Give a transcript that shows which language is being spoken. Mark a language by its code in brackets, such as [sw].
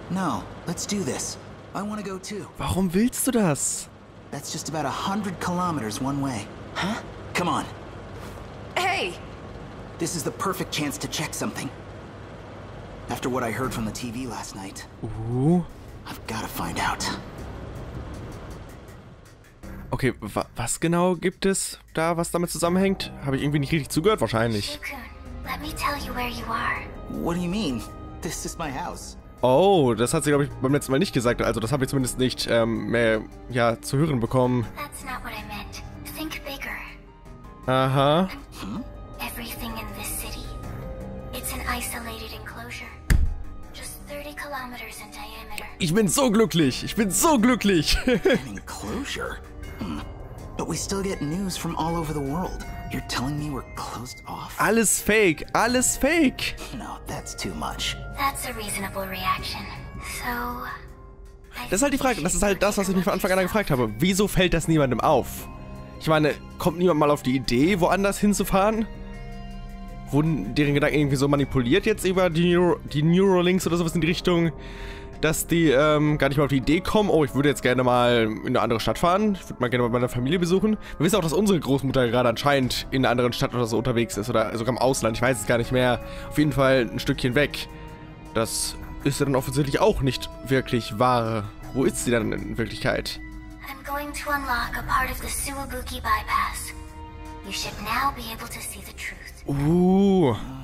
[en] No, let's do this. I want to go too. [de] Warum willst du das? [en] That's just about 100 kilometers one way. Huh? Come on. Hey, away! This is the perfect chance to check something. After what I heard from the TV last night. Ooh. I've gotta find out. [de] Okay, was genau gibt es da, was damit zusammenhängt? Habe ich irgendwie nicht richtig zugehört, wahrscheinlich. [en] Shukun, let me tell you where you are. What do you mean? This is my house. [de] Oh, das hat sie, glaube ich, beim letzten Mal nicht gesagt. Also, das habe ich zumindest nicht mehr, ja, zu hören bekommen. [en] That's not what I meant. Think bigger. Aha. Everything in this city. It's an isolated enclosure. Just 30 kilometers in diameter. [de] Ich bin so glücklich. [en] Enclosure? But we still get news from all over the world. You're telling me we're closed off? [de] Alles fake. [en] No, that's too much. That's a reasonable reaction. [de] So. Das ist halt die Frage. Das ist halt das, was ich mich von Anfang an gefragt habe. Wieso fällt das niemandem auf? Ich meine, kommt niemand mal auf die Idee, woanders hinzufahren? Wurden deren Gedanken irgendwie so manipuliert jetzt über die Neuralinks oder sowas in die Richtung, dass die gar nicht mal auf die Idee kommen, oh, ich würde jetzt gerne mal in eine andere Stadt fahren, ich würde mal gerne mal meine Familie besuchen. Wir wissen auch, dass unsere Großmutter gerade anscheinend in einer anderen Stadt oder so unterwegs ist oder sogar im Ausland, ich weiß es gar nicht mehr, auf jeden Fall ein Stückchen weg. Das ist ja dann offensichtlich auch nicht wirklich wahr. Wo ist sie dann in Wirklichkeit? [en] I'm going to unlock a part of the Suwabuki Bypass. You should now be able to see the truth.